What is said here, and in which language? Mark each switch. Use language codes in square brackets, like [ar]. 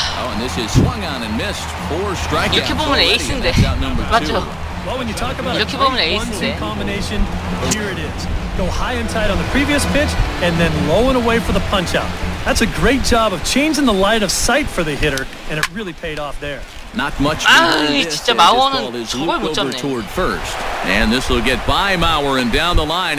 [en] Oh, and this is swung on and missed. Four strikeouts already, and that's out number two. Well, when you talk about a 1-2 combination, here it is. Go high and tight on the previous pitch, and then low and away for the punch out. That's a great job of changing the line of sight for the hitter, and it really paid off there. Not much. [ko] 아, 진짜 마워는 저걸 못 잡네. [en] Toward first, and this will get by Mauer and down the line.